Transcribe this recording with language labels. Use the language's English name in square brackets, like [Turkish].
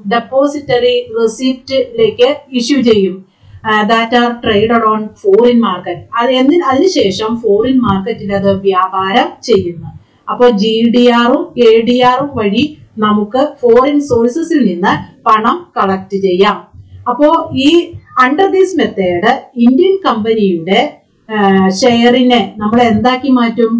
[Malayalam] Depository receipt-ലേക്ക് issue ചെയ്യും. [English] That are traded on foreign market. [Malayalam] അതിനുശേഷം foreign market-ൽ അത് വ്യാപാരം ചെയ്യുന്നു. അപ്പോൾ GDR-ഉം ADR-ഉം വഴി നമുക്ക് ഫോറിൻ സോഴ്സസിൽ നിന്ന് പണം കളക്ട് ചെയ്യാം. അപ്പോൾ ഈ അണ്ടർ ദീസ് മെത്തേഡ് ഇന്ത്യൻ കമ്പനിയുടെ ഷെയറിനെ നമ്മൾ എന്താക്കി മാറ്റും?